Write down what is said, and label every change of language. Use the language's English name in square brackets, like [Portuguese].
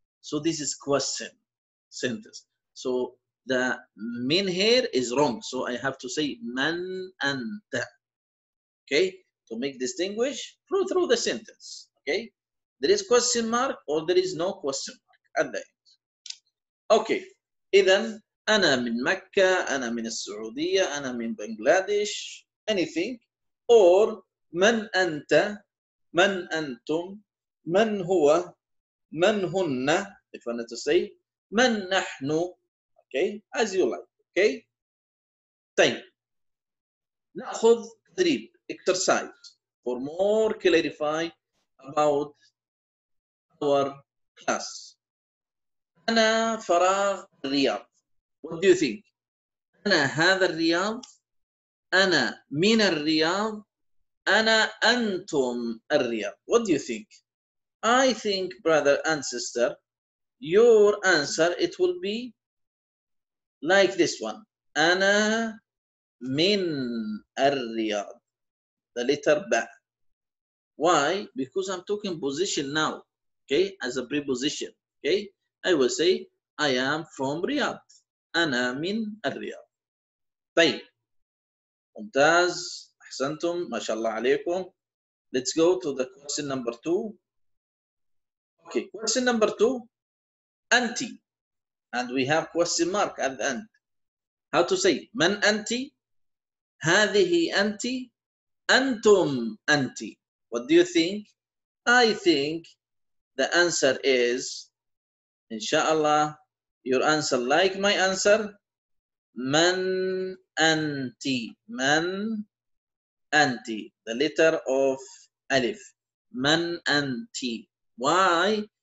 [English] So this is question sentence. So the min here is wrong. So I have to say [Arabic] من أنت, [English] okay? To make distinguish through the sentence, okay? There is question mark or there is no question mark at the end. [Arabic] Okay, إذن أنا من مكة, أنا من السعودية, أنا من بنغلاديش. [English] Anything or [Arabic] من أنت من أنتم من هو من هن if I need to say من نحن [English] okay as you like okay [Arabic] طيب نأخذ تدريب [English] exercise for more clarify about our class [Arabic] أنا فراغ الرياض [English] what do you think [Arabic] أنا هذا الرياض، أنا من الرياض، أنا أنتم الرياض. [English] What do you think? I think, brother and sister, your answer, it will be like this one. [Arabic] أنا من الرياض. [English] The letter ba. Why? Because I'm talking position now. Okay, as a preposition. Okay, I will say I am from Riyadh. [Arabic] أنا من الرياض. طيب. ممتاز. أحسنتم. ما شاء الله عليكم. [English] Let's go to the question number two. Okay, question number two. أنتي. And we have question mark at the end. How to say [Arabic] من أنتي؟ هذه أنتي؟ أنتم أنتي؟ [English] What do you think? I think the answer is, inshallah, your answer like my answer, [Arabic] من أنتي. من أنتي. [English] The letter of Alif. [Arabic] من أنتي. [English] Why?